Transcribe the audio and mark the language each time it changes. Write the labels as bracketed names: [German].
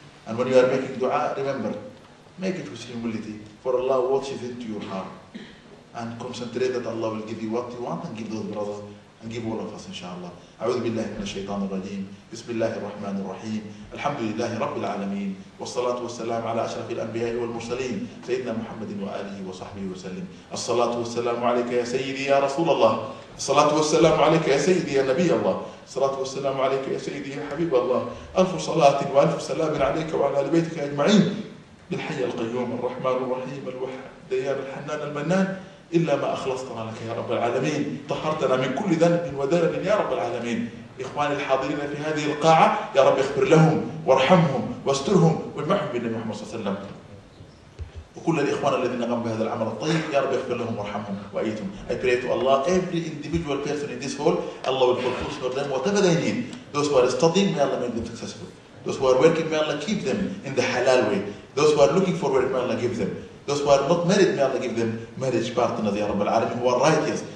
[English] And when you are making dua, remember, make it with humility, for Allah watches into your heart. And concentrate that Allah will give you what you want and give those brothers and give all of us inshallah. [Arabic] أعوذ بالله من الشيطان الرجيم. بسم الله الرحمن الرحيم. الحمد لله رب العالمين. والصلاة والسلام على أشرف الأنبياء والمرسلين سيدنا محمد وآله وصحبه وسلم. الصلاة والسلام عليك يا سيدي يا رسول الله. الصلاة والسلام عليك يا سيدي يا نبي الله. الصلاة والسلام عليك يا سيدي يا حبيب الله. ألف صلاة وألف سلام عليك وعلى آل بيتك أجمعين. بالحي القيوم الرحمن الرحيم الوحد ديان الحنان المنان. إلا ما أخلصتنا لك يا رب العالمين، طهرتنا من كل ذنب وذنب يا رب العالمين. إخواني الحاضرين في هذه القاعة، يا رب اغفر لهم وارحمهم واسترهم واجمعهم بالنبي محمد صلى الله عليه وسلم. وكل الإخوان الذين قاموا بهذا العمل الطيب، يا رب اغفر لهم وارحمهم وأيتهم. [English] I pray to Allah, every individual person in this hall, Allah will propose for them whatever they need. Those who are studying, may Allah make them successful. Those who are working, may Allah keep them in the halal way. Those who are looking for work, may Allah give them. Those who are not married, may Allah give them marriage partners, [Arabic] ya Rabbil Alameen, [English] who are righteous.